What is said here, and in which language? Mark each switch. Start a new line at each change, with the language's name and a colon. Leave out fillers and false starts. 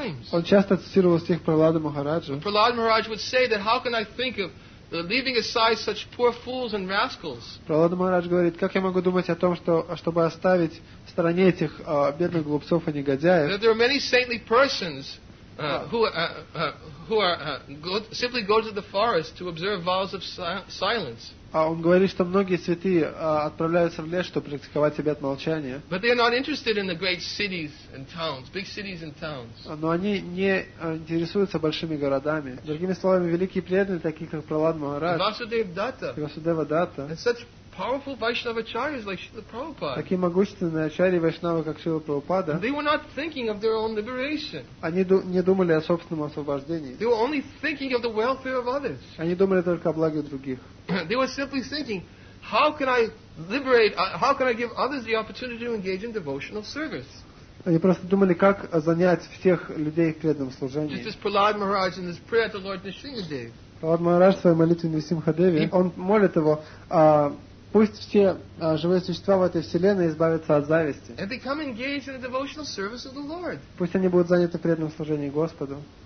Russian: Он часто цитировал стих Пралады Махараджа.
English: Пралад Махарадж would say that how can I think of leaving aside such poor fools and rascals.
Russian: Пралада Махарадж говорит, как я могу думать о том, чтобы оставить в стороне этих бедных глупцов и негодяев?
English: There are many saintly persons simply go to the forest to observe vows of silence.
Russian: А он говорит, что многие святые отправляются в лес, чтобы практиковать обет молчания.
English: But they are not interested in the great cities and towns, big cities and towns.
Russian: Но они не интересуются большими городами. Другими словами, великие преданные, такие как Пралад Махарадж, Васудева Датта,
English: and such powerful Vaishnava acharyas like Srila Prabhupada.
Russian: Такие могущественные ачарьи Вайшнавы, как Шрила Прабхупада.
English: They were not thinking of their own liberation.
Russian: Они не думали о собственном освобождении.
English: They were only thinking of the welfare of others.
Russian: Они думали только о благе других.
English: They were simply thinking, how can I liberate, how can I give others the opportunity to engage in devotional service?
Russian: Они просто думали, как занять всех людей в преданном служении.
English: Just as Prahlad Maharaj in his prayer to Lord Nrisimhadev.
Russian: Prahlad Maharaj в своей молитве Нрисимхадеве, он молит его, пусть все живые существа в этой вселенной избавятся от зависти.
English: And become engaged in the devotional service of the Lord.
Russian: Пусть они будут заняты в преданном служении Господу.